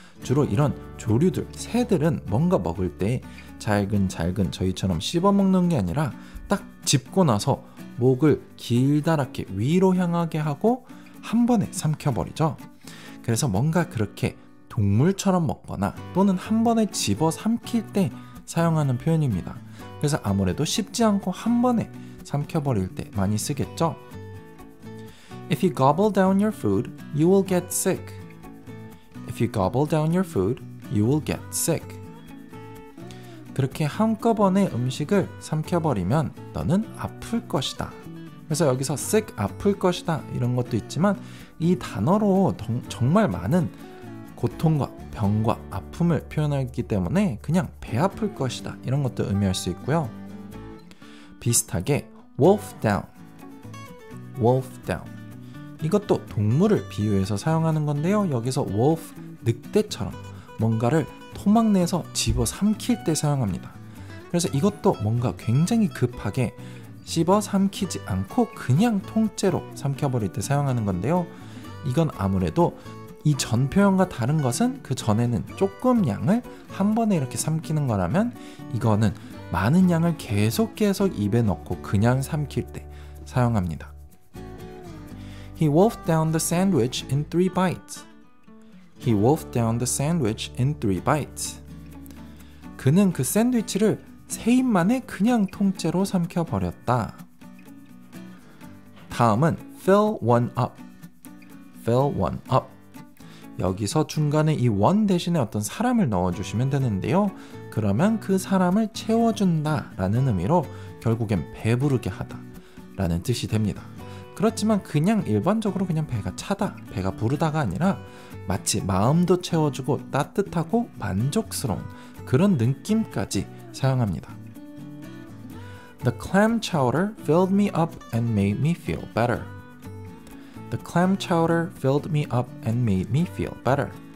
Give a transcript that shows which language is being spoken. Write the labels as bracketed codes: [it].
[ko] 주로 이런 조류들, 새들은 뭔가 먹을 때 잘근잘근 저희처럼 씹어먹는 게 아니라 딱 집고 나서 목을 길다랗게 위로 향하게 하고 한 번에 삼켜버리죠. 그래서 뭔가 그렇게 동물처럼 먹거나 또는 한 번에 집어 삼킬 때 사용하는 표현입니다. 그래서 아무래도 씹지 않고 한 번에 삼켜버릴 때 많이 쓰겠죠. [en] If you gobble down your food, you will get sick. If you gobble down your food, you will get sick. [ko] 그렇게 한꺼번에 음식을 삼켜버리면 너는 아플 것이다. 그래서 여기서 sick, 아플 것이다 이런 것도 있지만 이 단어로 정말 많은 고통과 병과 아픔을 표현하기 때문에 그냥 배 아플 것이다 이런 것도 의미할 수 있고요. 비슷하게 [en] wolf down, wolf down. [ko] 이것도 동물을 비유해서 사용하는 건데요. 여기서 wolf, 늑대처럼 뭔가를 토막내서 집어삼킬 때 사용합니다. 그래서 이것도 뭔가 굉장히 급하게 집어삼키지 않고 그냥 통째로 삼켜버릴 때 사용하는 건데요. 이건 아무래도 이 전 표현과 다른 것은 그 전에는 조금 양을 한 번에 이렇게 삼키는 거라면 이거는 많은 양을 계속 계속 입에 넣고 그냥 삼킬 때 사용합니다. [en] He wolfed down the sandwich in three bites. He wolfed down the sandwich in three bites. [ko] 그는 그 샌드위치를 세 입만에 그냥 통째로 삼켜 버렸다. 다음은 [en] fill one up. Fill one up. [ko] 여기서 중간에 이 one 대신에 어떤 사람을 넣어 주시면 되는데요. 그러면 그 사람을 채워 준다라는 의미로 결국엔 배부르게 하다라는 뜻이 됩니다. 그렇지만 그냥 일반적으로 그냥 배가 차다, 배가 부르다가 아니라 마치 마음도 채워주고 따뜻하고 만족스러운 그런 느낌까지 사용합니다. [en] The clam chowder filled me up and made me feel better. The clam chowder filled me up and made me feel better.